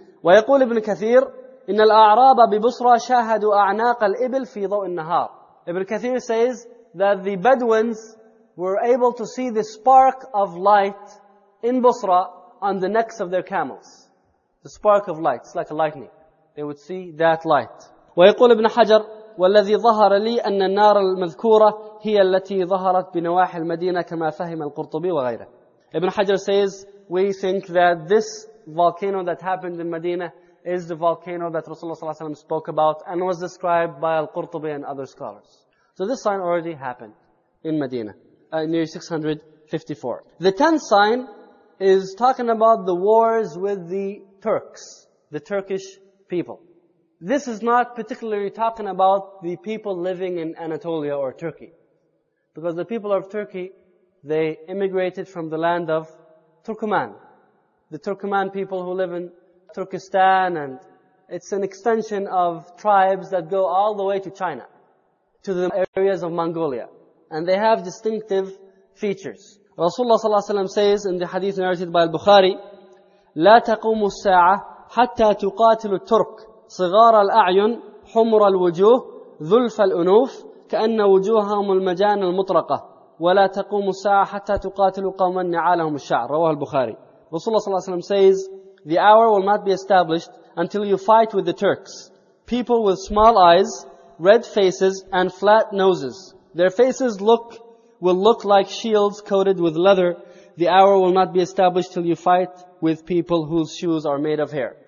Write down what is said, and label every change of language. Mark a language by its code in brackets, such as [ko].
[ar] وَيَقُولِ ابْنُ كَثِيرٍ إِنَّ الْأَعْرَابَ بِبُصْرَى شَاهَدُوا أَعْنَاقَ الْإِبْلِ فِي ضَوْءِ النَّهَارِ. [en] Ibn Kathir says that the Bedouins were able to see the spark of light in Busra on the necks of their camels. The spark of light, it's like a lightning. They would see that light. [ar] ويقول ابن حجر والذي ظهر لي أن النار المذكورة هي التي ظهرت بنواحي المدينة كما فهم القرطبي وغيره. [en] Ibn Hajar says, we think that this volcano that happened in Medina is the volcano that Rasulullah ﷺ spoke about and was described by Al-Qurtubi and other scholars. So this sign already happened in Medina, near 654. The tenth sign is talking about the wars with the Turks, the Turkish people. This is not particularly talking about the people living in Anatolia or Turkey. Because the people of Turkey, they immigrated from the land of Turkoman. The Turkoman people who live in Turkestan and It's an extension of tribes that go all the way to China, to the areas of Mongolia. And they have distinctive features. Rasulullah sallallahu alayhi wa sallam says in the hadith narrated by al-Bukhari, [ar] لا تقوم الساعة حتى تقاتل الترك صغار الأعين حمر الوجوه ذلف الأنوف كأن وجوههم المجان المطرقة ولا تقوم الساعة حتى تقاتل قوما نعالهم الشعر رواه البخاري. [en] Rasulullah sallallahu alayhi wa sallam says, the hour will not be established until you fight with the Turks, people with small eyes, red faces, and flat noses. Their faces will look like shields coated with leather. The hour will not be established till you fight with people whose shoes are made of hair.